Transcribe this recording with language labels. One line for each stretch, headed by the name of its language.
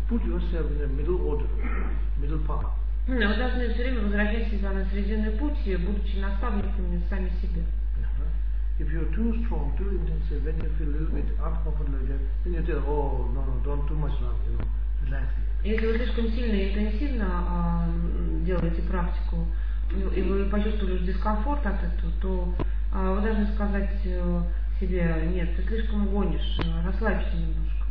English: Put yourself in the middle order, middle path.
Russian: Но вы должны все время возвращать себя на срединный путь, будучи наставниками сами себе.
English: If you're too strong, too intense, when you feel a little bit uncomfortable, then you tell, oh, no, no, don't too much, you know, relax.
Russian: Если вы слишком сильно и интенсивно делаете практику, и вы почувствовали дискомфорт от этого, то вы должны сказать себе, нет, ты слишком гонишь, расслабься немножко.